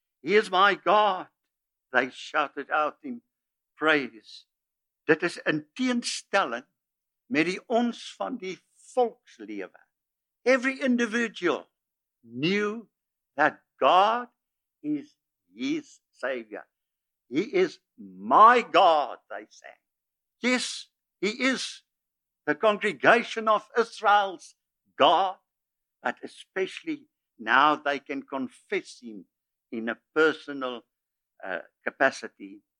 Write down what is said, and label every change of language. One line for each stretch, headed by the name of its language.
English: He is my God. They shouted out in praise.
Afrikaans: Dit is in teenstelling met die ons van die volkslewe.
English: Every individual knew that God is his Savior. He is my God, they sang. Yes, he is the congregation of Israel's God, but especially now they can confess him in a personal capacity.